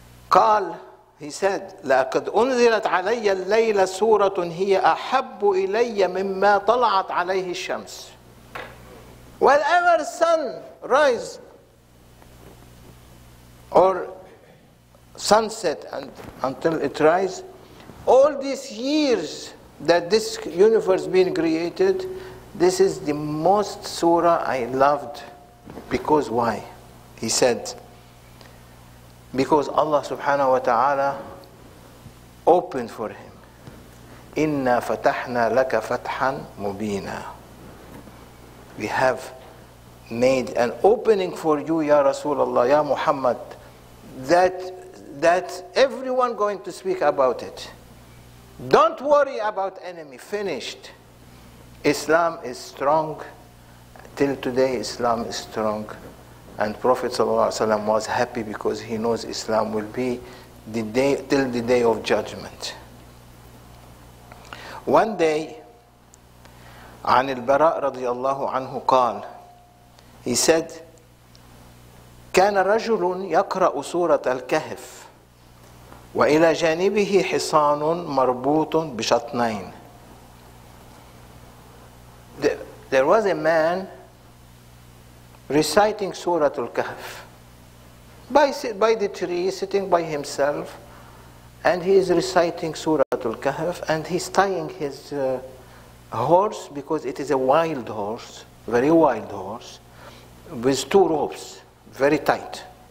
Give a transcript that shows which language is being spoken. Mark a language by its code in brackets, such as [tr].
[ar] قال, [en] he said, [ar] لقد أنزلت علي الليلة سورة هي أحب إلي مما طلعت عليه الشمس. [en] Whenever sun rise or sunset and until it rise, all these years that this universe been created, this is the most surah I loved. Because why? He said, because Allah subhanahu wa ta'ala opened for him. [ar] Inna fatahna laka fathan mubina. [en] We have made an opening for you, ya Rasulullah, ya Muhammad, that everyone going to speak about it. Don't worry about enemy, finished. Islam is strong. Till today, Islam is strong. And Prophet ﷺ was happy because he knows Islam will be till the day of judgment. One day, [ar] عن البراء رضي الله عنه قال, [en] he said, [ar] كان رجل يقرأ سورة الكهف وإلى جانبه حصان مربوط بشطنين. [en] There was a man reciting Surah Al-Kahf by the tree, sitting by himself, and he is reciting Surah Al-Kahf, and he's tying his horse, because it is a wild horse, very wild horse, with two ropes, very tight.